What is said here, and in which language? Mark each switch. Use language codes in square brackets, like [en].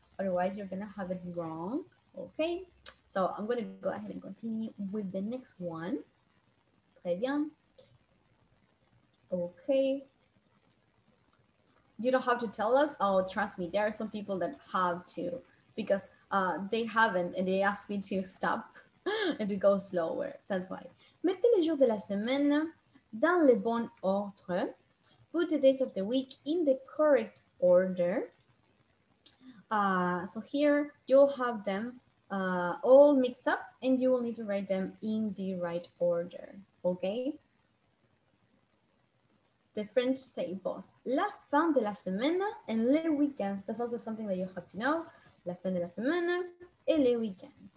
[en] Otherwise, you're gonna have it wrong. Okay, so I'm gonna go ahead and continue with the next one. [fr] Très bien. [en] Okay. You don't have to tell us. Oh, trust me, there are some people that have to, because they haven't and they asked me to stop and to go slower. That's why. [fr] Mettez les jours de la semaine dans le bon ordre. [en] Put the days of the week in the correct order. So here you'll have them all mixed up and you will need to write them in the right order. Okay. The French say both [fr] la fin de la semaine [en] and [fr] le week-end. [en] That's also something that you have to know. [fr] La fin de la semaine et le week-end.